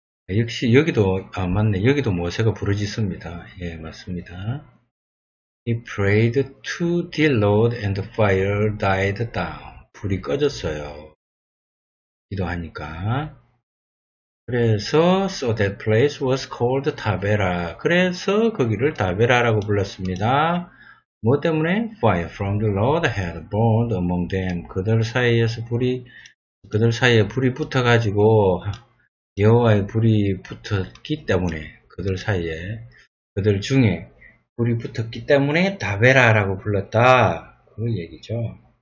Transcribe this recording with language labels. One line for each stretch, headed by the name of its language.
Korean: 역시 여기도 모세가 부르짖습니다. 예, 맞습니다.
English: He prayed to the Lord and the fire died down.
Korean: 불이 꺼졌어요. 기도하니까. 그래서
English: so that place was called Tabera.
Korean: 그래서 거기를 다베라라고 불렀습니다. 뭐 때문에?
English: Fire from the Lord had burned among them.
Korean: 그들 사이에 불이 붙어 가지고 여호와의 불이 붙었기 때문에 그들 중에 불이 붙었기 때문에 다베라라고 불렀다. 그 얘기죠.